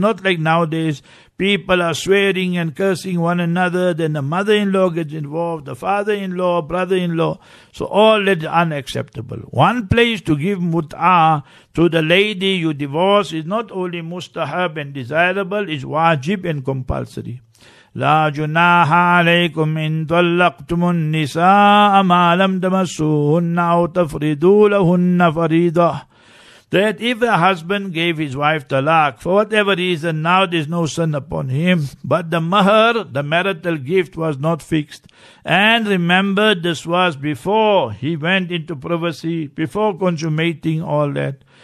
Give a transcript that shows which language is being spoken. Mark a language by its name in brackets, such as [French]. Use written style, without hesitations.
[English] Not like nowadays, people are swearing and cursing one another, then the mother-in-law gets involved, the father-in-law, brother-in-law. So all that is unacceptable. One place to give mut'ah to the lady you divorce is not only mustahab and desirable, it's wajib and compulsory. [Arabic] لا جناح عليكم إن طلقتم النساء ما لم تمسوهن أو تفرضوا لهن فريضة. [English] That if a husband gave his wife talaq, for whatever reason, now there's no sin upon him, but the mahar, the marital gift, was not fixed. And remember, this was before he went into privacy, before consummating all that.